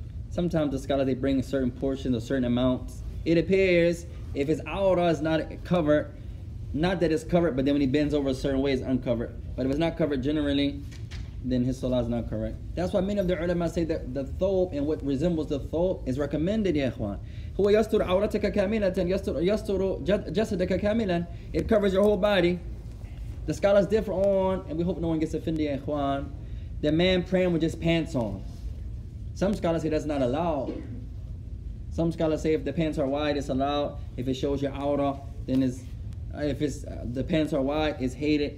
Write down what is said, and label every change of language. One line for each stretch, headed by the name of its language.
English: Sometimes the scholars, they bring a certain portion or certain amounts. It appears if his aura is not covered, not that it's covered, but then when he bends over a certain way, it's uncovered. But if it's not covered generally, then his salah is not correct. That's why many of the ulama say that the thawb and what resembles the thawb is recommended, ya ikhwan.
Arabic: هو يستر عورتك كاملة يستر جسدك كاملا.
English: It covers your whole body. The scholars differ on, and we hope no one gets offended, ya ikhwan. The man praying with his pants on. Some scholars say that's not allowed. Some scholars say if the pants are wide, it's allowed. If it shows your aura, then it's, if it's, the pants are wide, it's hated.